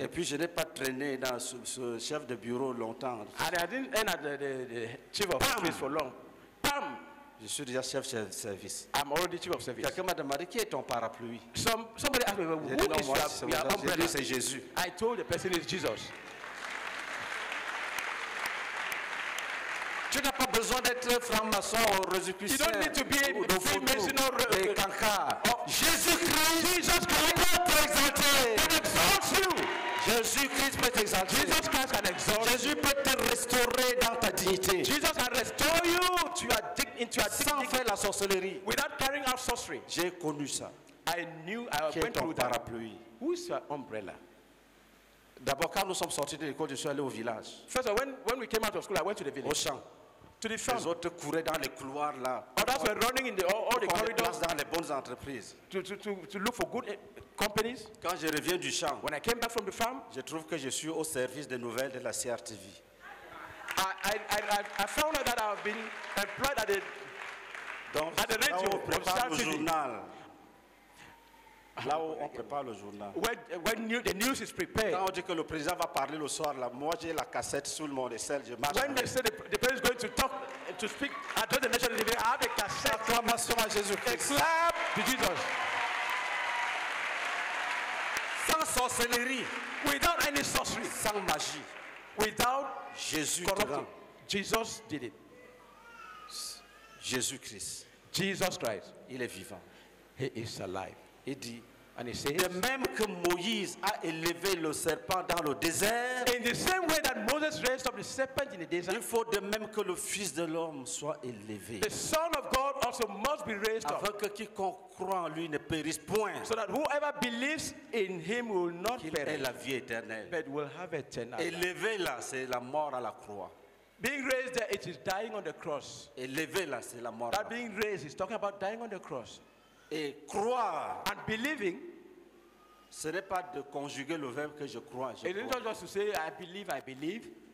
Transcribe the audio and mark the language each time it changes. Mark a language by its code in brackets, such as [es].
[fr] Et puis je n'ai pas traîné dans ce chef de bureau longtemps. [en] And I didn't end at the chief of office for long. Bam. [fr] Je suis déjà chef de service. [en] I'm already chief of service. [fr] Quelqu'un m'a demandé qui est ton parapluie. [en] Somebody asked me, well, who [fr] dit, [en] is your umbrella? [fr] J'ai dit, c'est Jésus. [en] I told the person it's Jesus. [fr] Tu n'as pas besoin d'être franc-maçon ou rosicrucien. [en] You don't need to be a Freemason or [fr] Jésus-Christ. [en] Jesus Christ [fr] peut t'exalter. [en] Can exalt you. [fr] Jésus-Christ peut t'exalter. [en] Jesus Christ can exalt. [fr] Jésus peut te restaurer dans ta dignité. [en] Jesus can restore you. [fr] Tu as [en] into [fr] sans faire la sorcellerie. [en] Without carrying out sorcery. [fr] J'ai connu ça. [en] I knew I went through that. [fr] Parapluie. [en] Who is your umbrella? [fr] D'abord, quand nous sommes sortis de l'école, je suis allé au village. [en] First of all, when we came out of school, I went to the village. [fr] Au champ. [en] To the farm. [fr] Les autres couraient dans les couloirs là. [en] Others were running in all the corridors. [fr] Dans les bonnes entreprises. [en] To look for good companies. [fr] Quand je reviens du champ, [en] when I came back from the farm, [fr] je trouve que je suis au service des nouvelles de la CRTV. [en] I found out that I have been employed at the radio. [fr] Là où on prépare le journal. [en] When the news is prepared. [fr] Quand on dit que le président va parler le soir, là, moi j'ai la cassette sous mon aisselle, je marche. [en] When they say the president is going to talk, to speak, address the nation, I have a cassette. [fr] Acclamation à Jésus-Christ. [en] Clap to Jesus. [fr] Sans sorcellerie. [en] Without any sorcery. [fr] Sans magie. [en] Without [fr] Jésus [en] corrupting. Jesus did it. [fr] Jésus-Christ. [en] Jesus Christ. [fr] Il est vivant. [en] He is alive. [fr] Il dit, [en] and he says, [fr] de même que Moïse a élevé le serpent dans le désert, [en] in the same way that Moses raised up the serpent in the desert, [fr] il faut de même que le Fils de l'homme soit élevé. [en] The Son of God also must be raised [fr] afin [en] up. [fr] Que quiconque croit en lui ne périsse point. [en] So that whoever believes in him will not [fr] qu'il [en] perish, [fr] ait la vie éternelle. [en] But will have eternal [fr] élevé [en] life. [fr] Élevé là, c'est la mort à la croix. [en] Being raised there, it is dying on the cross. [fr] Élevé là, c'est la mort. [en] That being raised is talking about dying on the cross. [fr] Et croire, [en] and believing, [fr] ce n'est pas de conjuguer le verbe que je crois. Je [en] it is not just to say I believe, I believe.